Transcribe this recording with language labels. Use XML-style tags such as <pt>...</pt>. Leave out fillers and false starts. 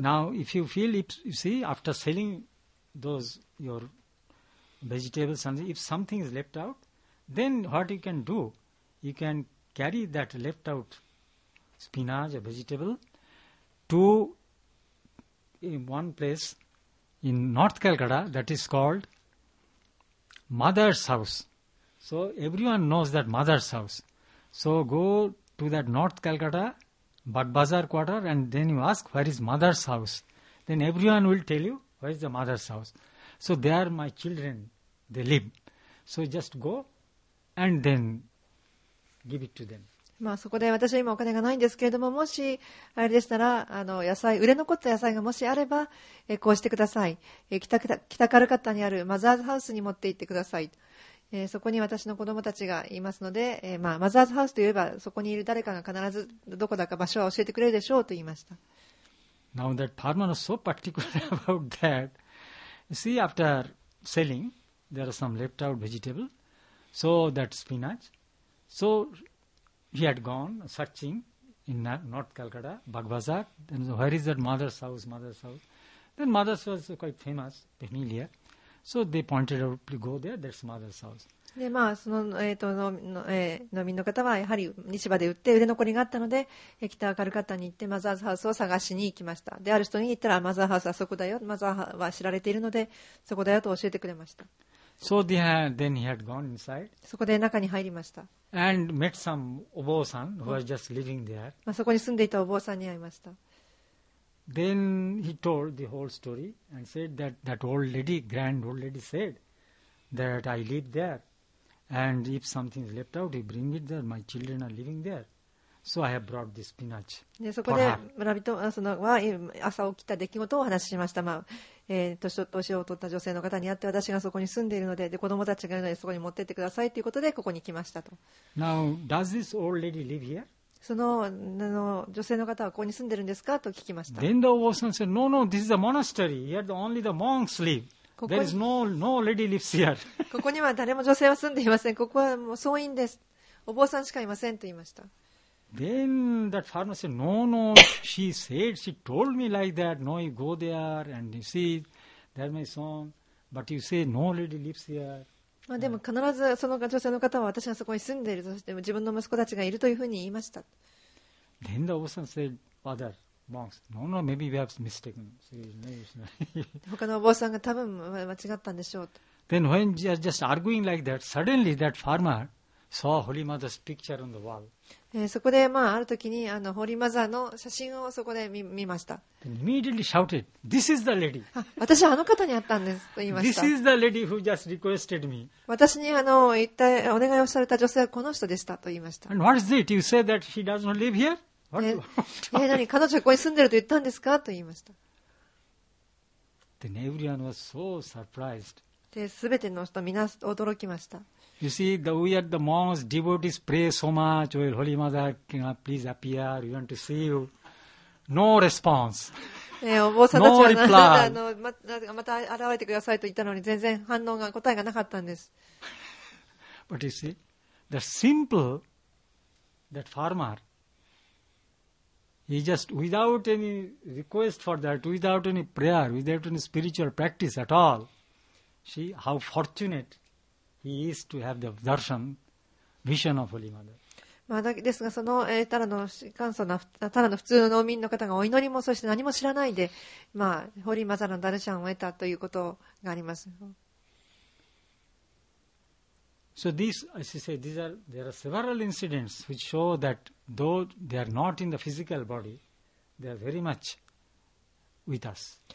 <en>Now, if you feel, if, you see, after selling those your vegetables, and if something is left out, then what you can do? You can carry that left outspinach or vegetable to in one place in North Calcutta that is called Mother's House. So everyone knows that Mother's House. So go to that North Calcutta Bad Bazar quarter and then you ask where is Mother's House. Then everyone will tell you where is the Mother's House. So there my children, they live. So just go and then give it to them.</en> <ja>まあ、そこで私は今お金がないんですけれども、もしあれでしたら、あの野菜、売れ残った野菜がもしあれば、こうしてください、北カルカッタにあるマザーズハウスに持って行ってください、そこに私の子供たちがいますので、まあ、マザーズハウスといえばそこにいる誰かが必ずどこだか場所は教えてくれるでしょうと言いました。</ja> <en>Now that farmer is so particular about that. See, after selling there are some left out vegetables, so that spinach, soHe had gone searching in North Calcutta, Bag Bazar. Then where is that mother's house? Mother's house. Then mother's house was quite famous, familiar. So they pointed out to go there. That's mother's house.</en> <ja>で、まあ、その、農民の方はやはり市場で売って売れ残りがあったので、北カルカッタに行ってマザーズハウスを探しに行きました。で、ある人に言ったらマザーハウスはそこだよ。マザーハウスは知られているのでそこだよと教えてくれました。</ja> <en>So then he had gone inside.</en> <ja>そこで中に入りました。</ja> <en>And met some お坊さん who was just living there.</en> <ja>まあ、そこに住んでいたお坊さんに会いました。</ja> <en>Then he told the whole story and said that that old lady, grand old lady said that I live there. And if something is left out, you bring it there. My children are living there. So I have brought this spinach.</en> <ja>でそこで村人そのは朝起きた出来事をお話ししました。まあ、年を取った女性の方に会って私がそこに住んでいるの で子供たちがいるのでそこに持ってってくださいということでここに来ましたと。</ja> <en>Now, does this old lady live here?</en> <ja>その女性の方はここに住んでるんですかと聞きました。</ja> <en>Then the old son said, No, no, this is a monastery. Here the only the monks live. There is no lady lives here.</en> <ja>ここには誰も女性は住んでいません。ここはもう僧院です。お坊さんしかいませんと言いました。</ja> <en>Then that farmer said, No, no, she said, she told me like that. No, you go there and you see, there my son. But you say, no lady lives here.</en> <ja>まあ、でも必ずその女性の方は私がそこに住んでいる、そして自分の息子たちがいるというふうに言いました。</ja> <en>Then the old son said, Father, monks, no, no, maybe we have mistaken. Said,</en> <ja>他のお坊さんが多分間違ったんでしょうと。</ja> <en>Then when just arguing like that, suddenly that farmer saw Holy Mother's picture on the wall.</en> <ja>そこで、まあ、ある時にホーリーマザーの写真をそこで 見ました。</ja> <en>Then immediately shouted, This is the lady.</en> <ja>私はあの方に会ったんですと言いました。</ja> <en>This is the lady who just requested me.</en> <ja>私に言ったお願いをされた女性はこの人でしたと言いました。</ja> <en>And what is it? You say that she does not live here?</en> <ja>え、何、彼女はここに住んでると言ったんですかと言いました。</ja> <en>Then everyone was so surprised.</en> <ja>で、全ての人みんな驚きました。</ja> <en>You see, we are the monks, devotees pray so much, well, Holy Mother, can I please appear, we want to see you. No response.</en> <ja>お坊さんたちは、また現れてくださいと言ったのに、全然反応が、答えがなかったんです。</ja> <en>But you see, the simple, that farmer,He just, without any request for that, without any prayer, without any spiritual practice at all, see how fortunate he is to have the darshan, vision of Holy Mother.、</en> <ja>まあ、ですが、その、ただの簡素な、ただの普通の農民の方がお祈りも、そして何も知らないで、まあ、ホリーマザーのダルシャンを得たということがあります。</ja> <en>So these, as you say, these are, there are several incidents which show that though they are not in the physical body, they are very much with us.</en>